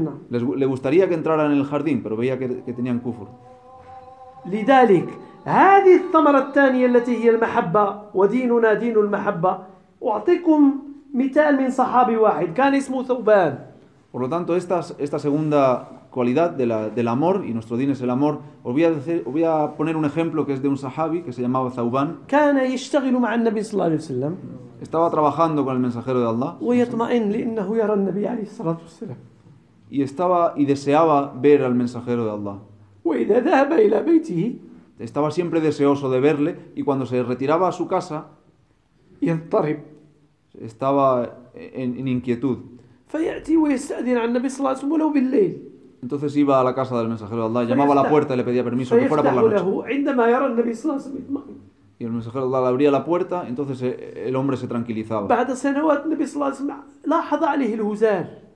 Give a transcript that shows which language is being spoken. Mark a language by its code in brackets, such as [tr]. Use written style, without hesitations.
[es] Le gustaría que entraran en el jardín, pero veía que tenían kufur. [ar] لذلك هذه الثمرة الثانية التي هي المحبة وديننا دين المحبة. أعطيكم مثال من صحابي واحد كان اسمه ثوبان. [es] Por lo tanto esta segunda cualidad del amor y nuestro din es el amor. Os voy a poner un ejemplo que es de un sahabi que se llamaba Thauban. [ar] كان يشتغل مع النبي صلى الله عليه وسلم. [es] Estaba trabajando con el mensajero de Allah. [ar] ويطمئن لأنه يرى النبي عليه الصلاة والسلام. [es] Y deseaba ver al mensajero de Allah. [ar] وإذا ذهب إلى بيته. [es] Estaba siempre deseoso de verle y cuando se retiraba a su casa [ar] يضطرب. [es] Estaba en inquietud. [ar] فيأتي ويستأذن على النبي صلى الله عليه وسلم ولو بالليل. [es] Entonces iba a la casa del mensajero de Allah, llamaba a la puerta y le pedía permiso que fuera por la noche. [ar] عندما يرى النبي صلى الله عليه وسلم. [es] Y el mensajero de Allah le abría la puerta, entonces el hombre se tranquilizaba. [ar] بعد سنوات النبي صلى الله عليه وسلم لاحظ عليه الهزال.